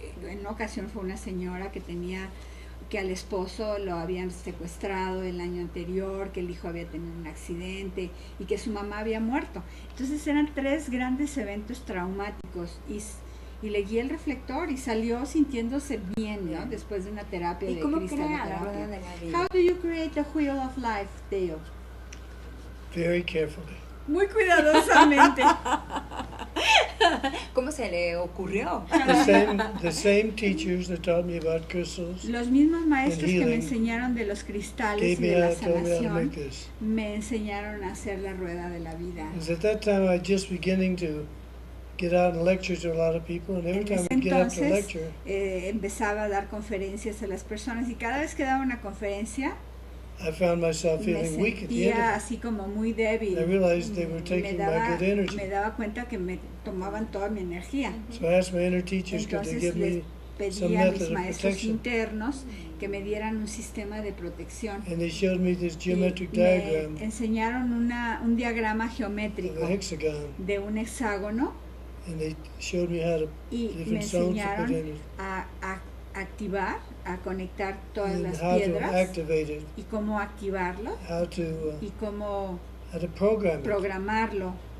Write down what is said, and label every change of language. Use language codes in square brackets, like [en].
[es] En una ocasión fue una señora que tenía, que al esposo lo habían secuestrado el año anterior, que el hijo había tenido un accidente y que su mamá había muerto. Entonces eran tres grandes eventos traumáticos y le guié el reflector y salió sintiéndose bien, ¿no? Después de una terapia. ¿Y cómo crea la rueda de la vida? [en] How do you create the wheel of life, Dale? Very carefully. [es] Muy cuidadosamente. ¿Cómo se le ocurrió? [en] The same teachers that taught me about crystals. [es] Los mismos maestros que me enseñaron de los cristales y de la sanación me enseñaron a hacer la rueda de la vida. [en] And at that time I was just beginning to get out and lecture to a lot of people, and every time I get up to lecture, [es] empezaba a dar conferencias a las personas y cada vez que daba una conferencia [en] I found myself feeling weak at the end. [es] Me sentía así como muy débil. [en] I realized they were taking my good energy. [es] Me daba cuenta que me tomaban toda mi energía. [en] So I asked my inner teachers, could they give me some method of protection? [es] Maestros internos que me dieran un sistema de protección. [en] And they showed me this geometric diagram. [es] Me enseñaron un diagrama geométrico [en] of a hexagon. [es] De un hexágono. [en] And they showed me how to different zones to put in. [es] Activar, a conectar todas las piedras y cómo activarlo y cómo programarlo